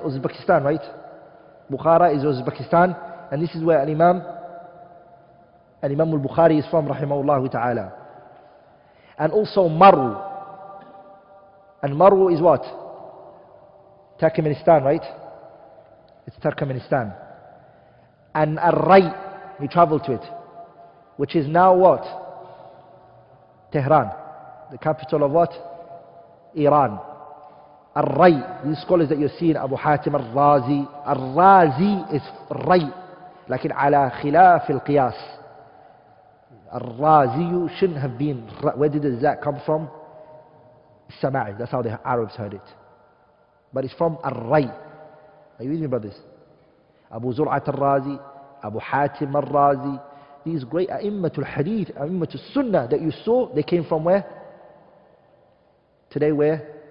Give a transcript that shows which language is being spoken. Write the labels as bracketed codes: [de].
[en] Uzbekistan, right? Bukhara is Uzbekistan. And this is where Imam al-Bukhari is from, rahimahullah ta'ala. And also Maru. And Maru is what? Turkmenistan, right? It's Turkmenistan. And Ar-Ray, he traveled to it. Which is now what? Tehran. The capital of what? Iran. Ar-Ray, these scholars that you're seeing, Abu Hatim Ar-Razi. Ar-Razi is Ray. [ar] لكن على خلاف القياس الرازي [en] shouldn't have been. Where did that come from? Sama'i, that's how the Arabs heard it. But it's from Ar-Ray. Are you with me, brothers? Abu Zur'at Ar-Razi, Abu Hatim Ar-Razi, these great A'immatul Hadith, A'immatul Sunnah that you saw, they came from where? Today where?